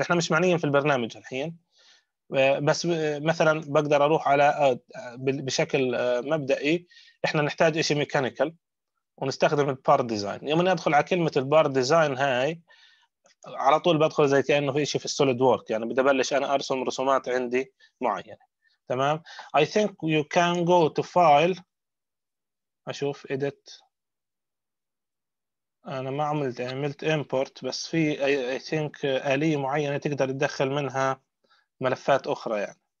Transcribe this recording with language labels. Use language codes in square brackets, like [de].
[ar] إحنا مش معنيين في البرنامج الحين، بس مثلاً بقدر أروح على بشكل مبدئي. إحنا نحتاج إشي ميكانيكال ونستخدم البار ديزاين. يوم ندخل على كلمة البار ديزاين هاي على طول بدخل زي كأنه في إشي في السوليد وورك، يعني بدي أبلش أنا أرسم رسومات عندي معينة. تمام؟ [en] I think you can go to file. [ar] أشوف edit. أنا ما عملت import، بس في [en] I think [ar] آلية معينة تقدر تدخل منها ملفات أخرى.